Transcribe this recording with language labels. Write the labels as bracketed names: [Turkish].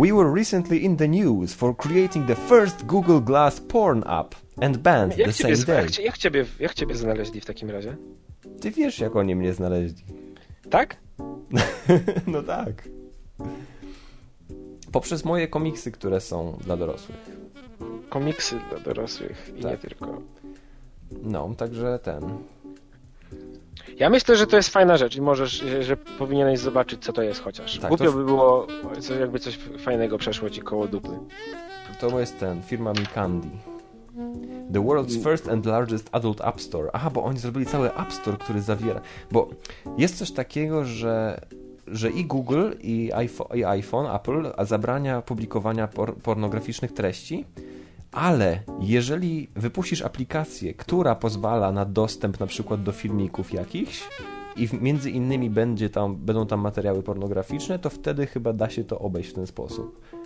[English] We were recently in the news for creating the first Google Glass porn app and banned the same day. [Polish] Jak ciebie znaleźli w takim razie? Ty wiesz, jak oni mnie znaleźli. Tak? No tak. Poprzez moje komiksy, które są dla dorosłych. Komiksy dla dorosłych i tak. Nie tylko. No, także ten. Ja myślę, że to jest fajna rzecz i możesz, że powinieneś zobaczyć, co to jest chociaż. Tak, głupio by było, jakby coś fajnego przeszło ci koło dupy. To jest ten, firma Mikandi. [English] The world's first and largest adult app store. [Polish] Aha, bo oni zrobili cały app store, który zawiera. Bo jest coś takiego, że i Google, i iPhone, Apple zabrania publikowania pornograficznych treści, ale jeżeli wypuścisz aplikację, która pozwala na dostęp na przykład do filmików jakichś i między innymi będą tam materiały pornograficzne, to wtedy chyba da się to obejść w ten sposób.